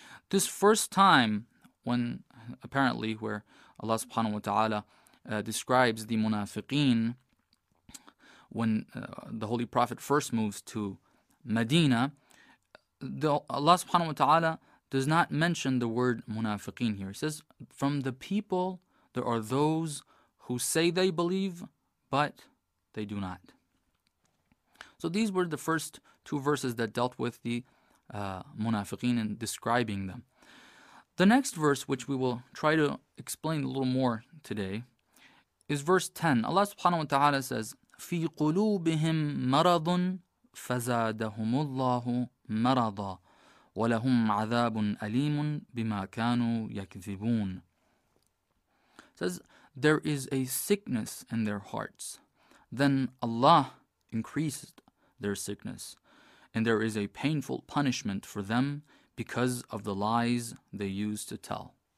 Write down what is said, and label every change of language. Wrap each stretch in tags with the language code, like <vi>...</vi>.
<en>This first time when apparently where Allah subhanahu wa ta'ala describes the munafiqeen, when the Holy Prophet first moves to Medina, Allah subhanahu wa ta'ala does not mention the word munafiqeen here. He says, from the people, there are those who say they believe, but they do not. So these were the first two verses that dealt with the munafiqeen and describing them. The next verse, which we will try to explain a little more today, is verse 10. Allah subhanahu wa ta'ala says,</en> <ar>في قلوبهم مرض فزادهم الله مرضا ولهم عذاب أليم بما كانوا يكذبون.</ar> <en>Says, there is a sickness in their hearts. Then Allah increased their sickness, and there is a painful punishment for them because of the lies they used to tell.</en>